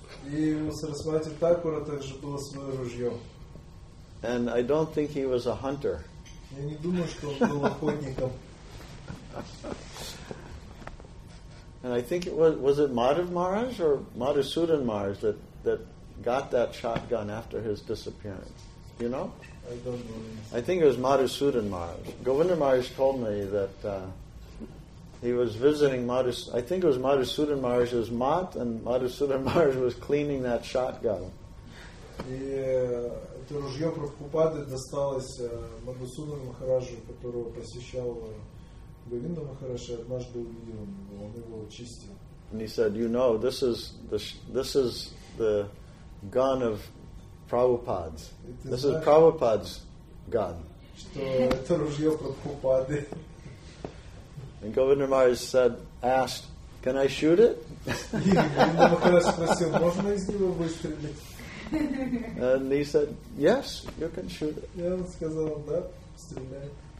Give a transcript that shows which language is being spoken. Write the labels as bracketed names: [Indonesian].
[Russian] И у Сарасвати Такура также было свое ружье. [English] And I don't think he was a hunter. [Russian] Я не думаю, что он был охотником. [English] And I think it was it Madhav Maharaj or Madhusudan Maharaj that got that shotgun after his disappearance. You know? I don't know. I think it was Madhusudan Maharaj. Govinda Maharaj told me that he was visiting I think it was Madhusudan Maharaj's mat, and Madhusudan Maharaj was cleaning that shotgun. [Russian] И это ружье Прабхупады досталось Мадхусудану Махараджу, которого посещал Говинда Махарадж, однажды увидел его, он его чистил. [English] And he said, you know, this is the gun of Prabhupada's. This is Prabhupada's gun. [Russian] Что это ружье Прабхупады. [English] And Govinda Maharaj asked, can I shoot it? [Russian] И Говинда Махарадж спросил, можно из него выстрелить? [English] And he said, yes, you can shoot it. [Russian] Yeah, он сказал, да, стреляй.